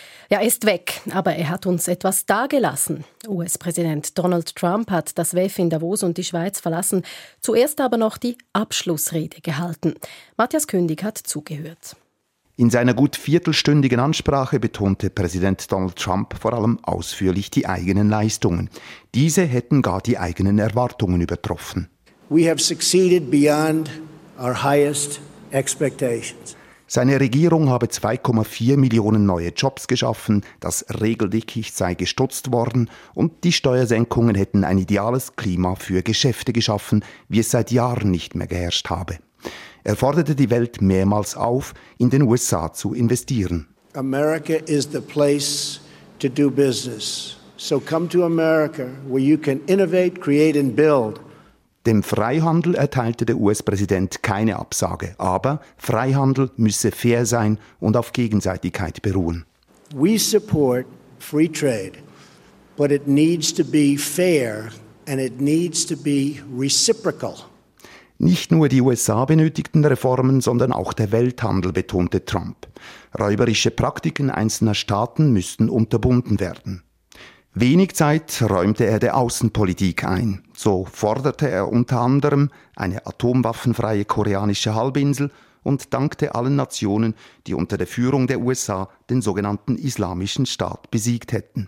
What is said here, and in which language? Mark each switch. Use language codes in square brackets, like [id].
[de] Er ist weg, aber er hat uns etwas dagelassen. US-Präsident Donald Trump hat das WEF in Davos und die Schweiz verlassen, zuerst aber noch die Abschlussrede gehalten. Matthias Kündig hat zugehört. In seiner gut viertelstündigen Ansprache betonte Präsident Donald Trump vor allem ausführlich die eigenen Leistungen. Diese hätten gar die eigenen Erwartungen übertroffen. [en] We have succeeded beyond our highest expectations. [de] Seine Regierung habe 2,4 Millionen neue Jobs geschaffen, das Regeldickicht sei gestutzt worden und die Steuersenkungen hätten ein ideales Klima für Geschäfte geschaffen, wie es seit Jahren nicht mehr geherrscht habe. Er forderte die Welt mehrmals auf, in den USA zu investieren. [en] America is the place to do business. So come to America, where you can innovate, create and build. [de] Dem Freihandel erteilte der US-Präsident keine Absage, aber Freihandel müsse fair sein und auf Gegenseitigkeit beruhen. [en] We support free trade, but it needs to be fair and it needs to be reciprocal. [de] Nicht nur die USA benötigten Reformen, sondern auch der Welthandel, betonte Trump. Räuberische Praktiken einzelner Staaten müssten unterbunden werden. Wenig Zeit räumte er der Außenpolitik ein. So forderte er unter anderem eine atomwaffenfreie koreanische Halbinsel und dankte allen Nationen, die unter der Führung der USA den sogenannten Islamischen Staat besiegt hätten.